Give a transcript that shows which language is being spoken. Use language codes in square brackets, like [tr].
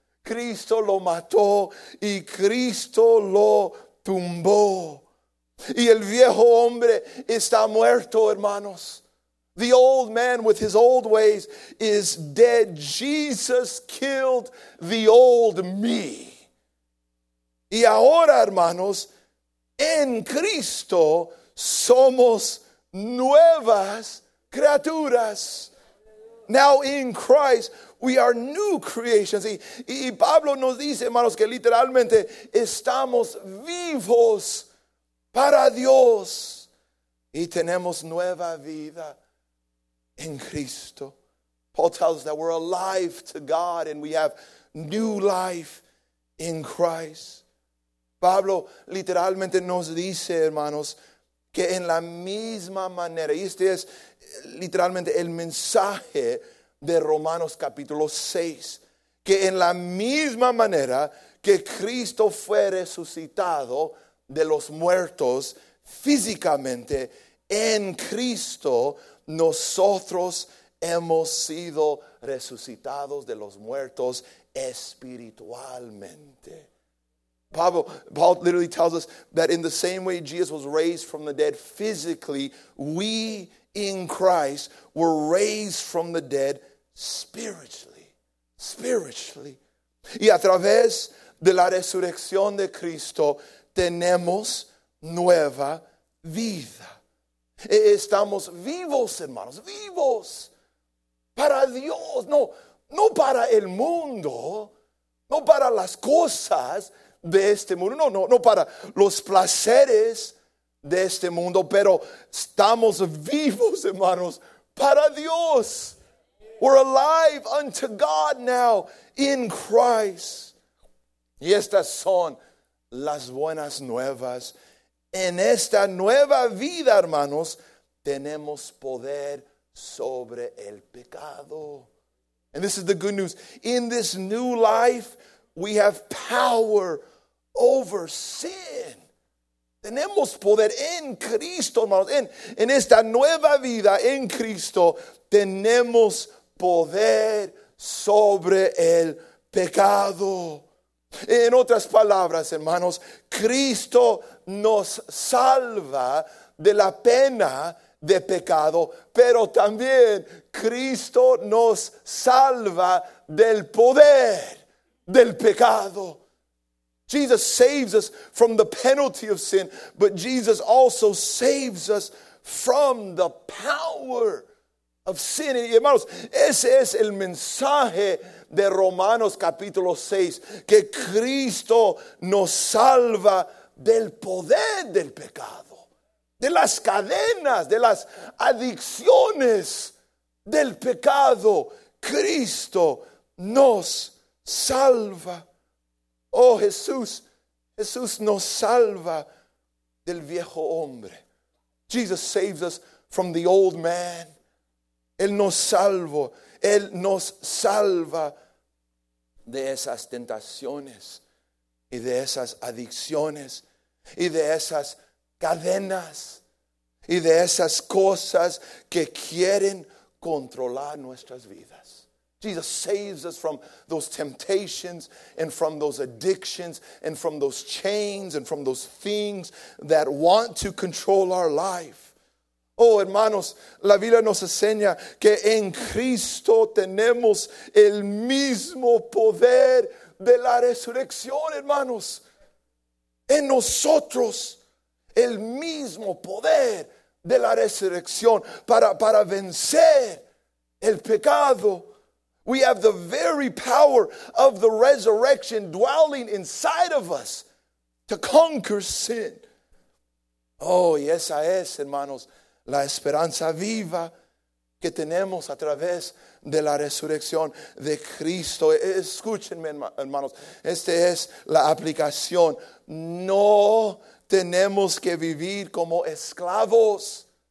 [es] Cristo lo mató. Y Cristo lo tumbó. Y el viejo hombre está muerto, hermanos. [en] The old man with his old ways is dead. Jesus killed the old me. [es] Y ahora, hermanos, en Cristo somos nuevas criaturas. [en] Now in Christ, we are new creations. [es] Y Pablo nos dice, hermanos, que literalmente estamos vivos para Dios. Y tenemos nueva vida en Cristo. [en] Paul tells us that we're alive to God and we have new life in Christ. [es] Pablo literalmente nos dice, hermanos, que en la misma manera, y este es literalmente el mensaje de Romanos capítulo 6, que en la misma manera que Cristo fue resucitado de los muertos físicamente, en Cristo nosotros hemos sido resucitados de los muertos espiritualmente. [en] Paul literally tells us that in the same way Jesus was raised from the dead physically, we in Christ were raised from the dead spiritually. Spiritually. [es] Y a través de la resurrección de Cristo, tenemos nueva vida. Estamos vivos, hermanos, vivos para Dios. No, no para el mundo, no para las cosas de este mundo, no para los placeres de este mundo, pero estamos vivos, hermanos, para Dios. [en] We're alive unto God now in Christ. [es] Y estas son las buenas nuevas. En esta nueva vida, hermanos, tenemos poder sobre el pecado. [en] And this is the good news. In this new life, we have power over sin. [es] Tenemos poder en Cristo, hermanos. En esta nueva vida en Cristo, tenemos poder sobre el pecado. En otras palabras, hermanos, Cristo nos salva de la pena de pecado, pero también Cristo nos salva del poder del pecado. [en] Jesus saves us from the penalty of sin, but Jesus also saves us from the power of sin. [es] Y hermanos, ese es el mensaje de Romanos capítulo 6, que Cristo nos salva del poder del pecado, de las cadenas, de las adicciones del pecado. Cristo nos salva. Oh, Jesús nos salva del viejo hombre. [en] Jesus saves us from the old man. [es] Él nos salva de esas tentaciones y de esas adicciones y de esas cadenas y de esas cosas que quieren controlar nuestras vidas. [en] Jesus saves us from those temptations and from those addictions and from those chains and from those things that want to control our life. [es] Oh, hermanos, la Biblia nos enseña que en Cristo tenemos el mismo poder de la resurrección, hermanos. En nosotros, el mismo poder de la resurrección para vencer el pecado. [en] We have the very power of the resurrection dwelling inside of us to conquer sin. [es] Oh, y esa es, hermanos, la esperanza viva que tenemos a través de la resurrección de Cristo. Escúchenme, hermanos, esta es la aplicación. No tenemos que vivir como esclavos.